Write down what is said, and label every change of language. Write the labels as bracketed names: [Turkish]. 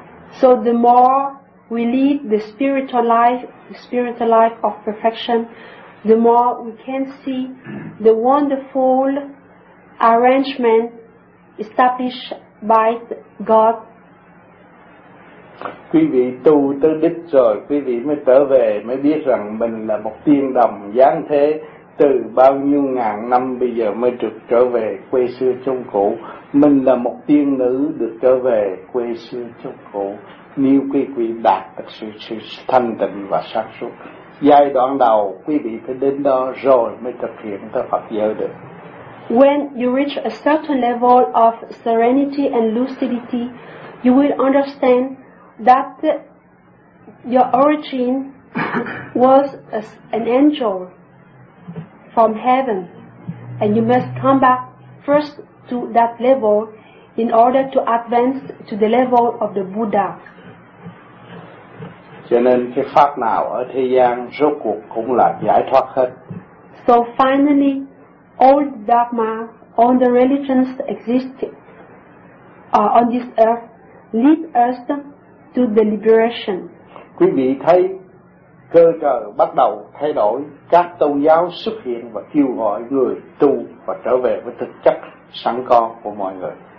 [English] So the more we lead the spiritual life of perfection, the more we can see the wonderful arrangement established by God. [Vietnamese] Quý vị tu tới đích rồi, quý vị mới trở về, mới biết rằng mình là một tiên đồng giáng thế, từ bao nhiêu ngàn năm bây giờ mới được trở về quê xưa chung cũ. Mình là một tiên nữ được trở về quê xưa chung cũ. Nếu quý vị đạt được sự thanh tịnh và sáng suốt, giai đoạn đầu quý vị phải đến đó rồi mới thực hiện theo Phật giới được. [English] When you reach a certain level of serenity and lucidity, you will understand that your origin was an angel from heaven, and you must come back first to that level in order to advance to the level of the Buddha. [Vietnamese] Cho nên cái pháp nào ở thế gian rốt cuộc cũng là giải thoát hết. [English] So finally, all dharma, all the religions existing on this earth lead us to the liberation. [Vietnamese] Quý vị thấy cơ trời bắt đầu thay đổi, các tôn giáo xuất hiện và kêu gọi người tu và trở về với thực chất sẵn có của mọi người.